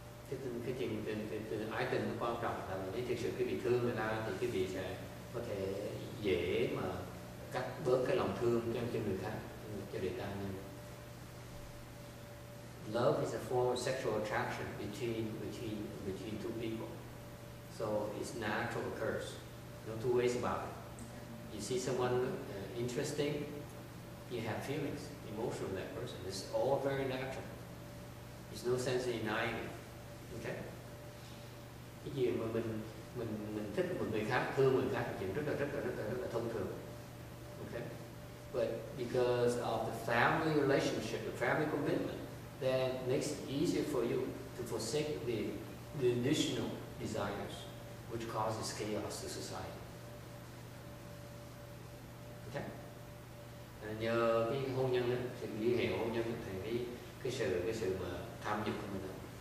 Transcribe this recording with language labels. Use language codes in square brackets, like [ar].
[vi] Cái ái tình nó quan trọng là nếu thực sự cái vị thương người ta thì cái vị sẽ có thể dễ mà cắt bớt cái lòng thương cho người khác cho để ta nhìn. [en] Love is a form of sexual attraction between two people, so it's natural occurs, no two ways about it. You see someone interesting, you have feelings, emotion of that person. It's all very natural. There's no sense in denying it. Okay. [vi] Cái chuyện mà mình thích một người khác, thương người khác là chuyện rất là thông thường. [en] Okay. But because of the family relationship, the family commitment, that makes it easier for you to forsake the additional desires, which causes chaos to society. Okay. [vi] Nhờ cái hôn nhân ấy, thì liên hệ hôn nhân thì cái sự mà tham dục của mình đó.